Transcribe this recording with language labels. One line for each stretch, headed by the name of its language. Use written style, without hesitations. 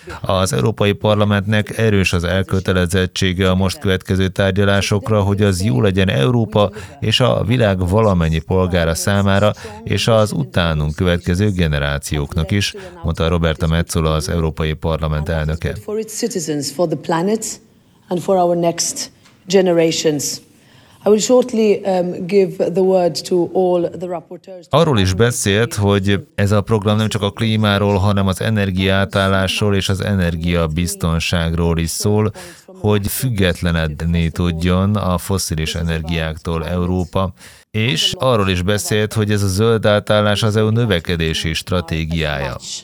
Hungarian: Az Európai Parlamentnek erős az elkötelezettsége a most következő tárgyalásokra, hogy az jó legyen Európa és a világ valamennyi polgára számára, és az utánunk következő generációknak is, mondta Roberta Metsola, az Európai Parlament elnöke.
English: For its citizens, for the planet and for our next generations. I will shortly give the word to all the rapporteurs.
Hungarian: Arról is beszélt, hogy ez a program nem csak a klímáról, hanem az energiaátállásról és az energiabiztonságról is szól, hogy függetlenedni tudjon a fosszilis energiáktól Európa. És arról is beszélt, hogy ez a zöld átállás az EU növekedési stratégiája.